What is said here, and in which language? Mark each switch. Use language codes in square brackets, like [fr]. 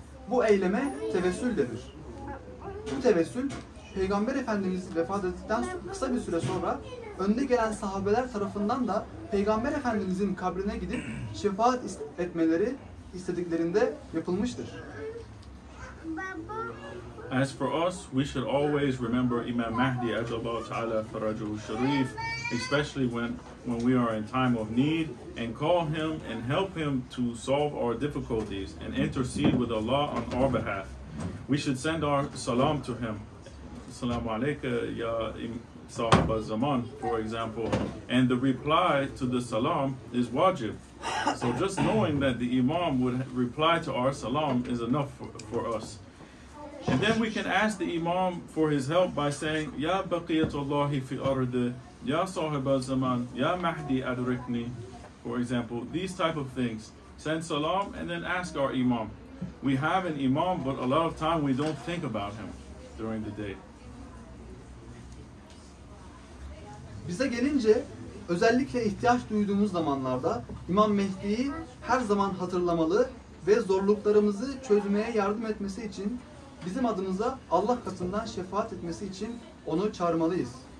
[tr] Bu eyleme tevessül denir. Bu tevessül, Peygamber Efendimiz vefat ettikten kısa bir süre sonra önde gelen sahabeler tarafından da Peygamber Efendimizin kabrine gidip şefaat etmeleri istediklerinde yapılmıştır. [en] As for us, we should always remember Imam Mahdi [ar] ajallahu ta'ala farajuhu sharif, [en] especially when we are in time of need, and call him and help him to solve our difficulties and intercede with Allah on our behalf. We should send our salam to him. [ar] Assalamu alaykum ya sahab al-zaman, [en] for example. And the reply to the salam is wajib. So just knowing that the imam would reply to our salam is enough for us. And then we can ask the imam for his help by saying, [ar] Ya baqiyatullahi fi ardi, Ya sahib al-zaman, Ya mahdi adrikni, [en] for example. These type of things. Send salam and then ask our imam. We have an imam, but a lot of time we don't think about him during the day. [tr] Bize gelince, özellikle ihtiyaç duyduğumuz zamanlarda İmam Mehdi'yi her zaman hatırlamalı ve zorluklarımızı çözmeye yardım etmesi için bizim adımıza Allah katından şefaat etmesi için onu çağırmalıyız.